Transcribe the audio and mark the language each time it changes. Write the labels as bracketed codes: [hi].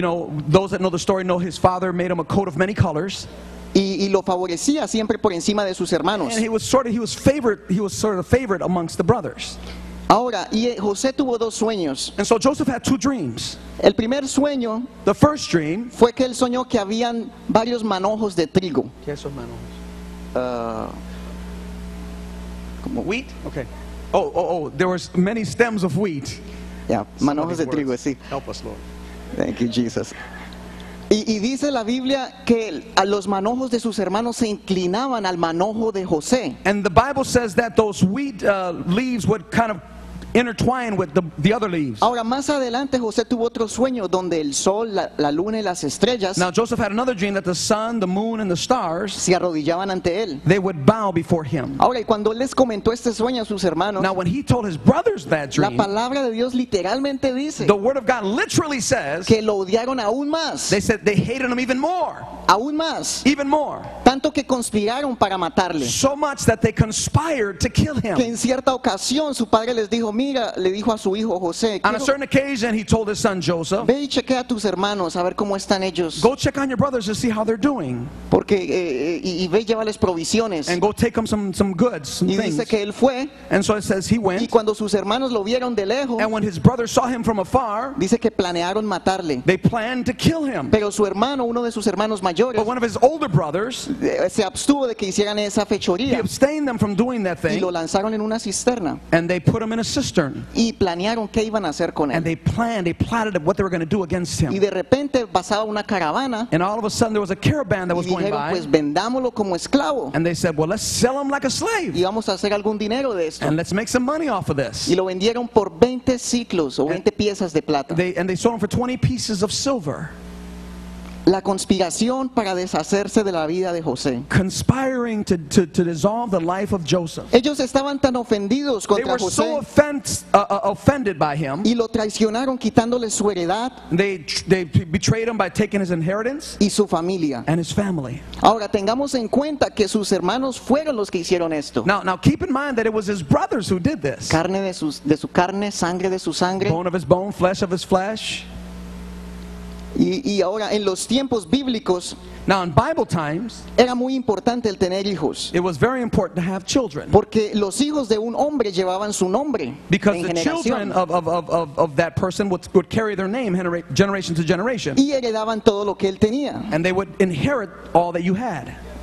[en] You know, those that know the story know his father made him a coat of many colors. [es] Y lo favorecía siempre por encima de sus hermanos. [en] And he was sort of a favorite amongst the brothers. [es] Ahora, y José tuvo dos sueños. [en] And so Joseph had two dreams. [es] El primer sueño, [en] the first dream, [es] fue que él soñó que habían varios manojos de trigo. ¿Qué son manojos? Como [en] wheat? Okay. Oh, there were many stems of wheat. Yeah, [es] manojos de trigo, sí. [en] Help us, Lord. Thank you, Jesus. [es] Y dice la Biblia que a los manojos de sus hermanos se inclinaban al manojo de José. [en] And the Bible says that those wheat leaves would kind of intertwine with the other leaves. [es] Ahora más adelante José tuvo otro sueño donde el sol, la luna y las estrellas. [en] Now Joseph had another dream that the sun, the moon, and the stars. [es] Se arrodillaban ante él. [en] They would bow before him. [es] Ahora y cuando él les comentó este sueño a sus hermanos. [en] Now when he told his brothers that dream. [es] La palabra de Dios literalmente dice. [en] The word of God literally says. [es] Que lo odiaron aún más. [en] They said they hated him even more. [es] Aún más. [en] Even more. [es] Tanto que conspiraron para matarle. [en] So much that they conspired to kill him. [es] Que en cierta ocasión su padre les dijo. Mira, le dijo a su hijo José. [en] On a certain occasion, he told his son Joseph. [es] Ve y chequea a tus hermanos a ver cómo están ellos. [en] Go check on your brothers to see how they're doing. [es] Porque y ve y llévales provisiones. [en] And go take them some goods. Some [es] y dice [en] things. [es] Que él fue. [en] And so it says he went. [es] Y cuando sus hermanos lo vieron de lejos. [en] And when his brothers saw him from afar. [es] Dice que planearon matarle. [en] They planned to kill him. [es] Pero su hermano, uno de sus hermanos mayores. [en] But one of his older brothers. [es] Se abstuvo de que hicieran esa fechoría. [en] He abstained them from doing that thing. [es] Y lo lanzaron en una cisterna. [en] And they put him in a cistern. [es] Y planearon qué iban a hacer con él. [en] And they plotted what they were going to do against him. [es] Y de repente pasaba una caravana. [en] And all of a sudden there was a caravan that was [es] dijeron, [en] going by. [es] Pues vendámoslo como esclavo. [en] And they said, well, let's sell him like a slave. [es] Y vamos a hacer algún dinero de esto. [en] And let's make some money off of this. [es] Y lo vendieron por 20 siclos o 20 piezas de plata. [en] And they sold him for 20 pieces of silver. [es] La conspiración para deshacerse de la vida de José. [en] Conspiring to dissolve the life of Joseph. [es] Ellos estaban tan ofendidos contra José. [en] They were so offended by him. [es] Y lo traicionaron quitándole su heredad. [en] They betrayed him by taking his inheritance. [es] Y su familia. [en] And his family. [es] Ahora tengamos en cuenta que sus hermanos fueron los que hicieron esto. [en] Now keep in mind that it was his brothers who did this. [es] Carne de su carne, sangre de su sangre. [en] Bone of his bone, flesh of his flesh. [es] Y ahora en los tiempos bíblicos. [en] Now in Bible times, [es] era muy importante el tener hijos. [en] It was very important to have children. [es] Porque los hijos de un hombre llevaban su nombre. [en] Because [es] en [en] the [es] generación. [en] Children of that person would carry their name generation to generation. [es] Y heredaban todo lo que él tenía. [en] And they would inherit all that you had.